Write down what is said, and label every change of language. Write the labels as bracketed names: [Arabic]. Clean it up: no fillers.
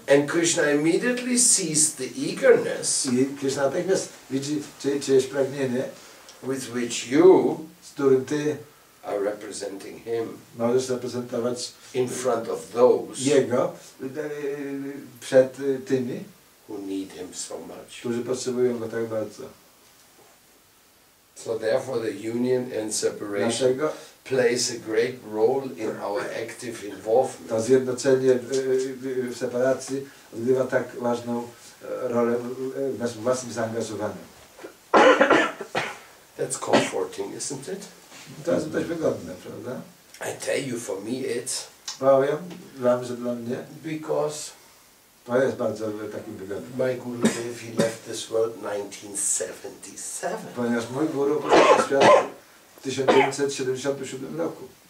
[English] And Krishna immediately sees the eagerness. [Polish] I Krishna natychmiast widzi czyjeś pragnienie, [English] with which you, [Polish] z którym ty, [English] are representing him. [Polish] Możesz reprezentować [English] in front of those [Polish] jego przed tymi, [English] who need him so much. [Polish] Którzy potrzebują go tak bardzo. [English] So therefore the union and separation. [Polish] Dlaczego? [English] plays a great role in our active involvement. [Polish] To zjednoczenie w separacji odgrywa tak ważną rolę w naszym własnym zaangażowaniu. [English] That's comforting, isn't it? [Polish] To jest dość wygodne, prawda? [English] I tell you, for me it. [Polish] Powiem, dla mnie. [English] Because. [Polish] To jest bardzo takim wygodnym. [English] My guru, if he left this world 1977. [Polish] Ponieważ mój guru poszedł na świat w 1977 roku.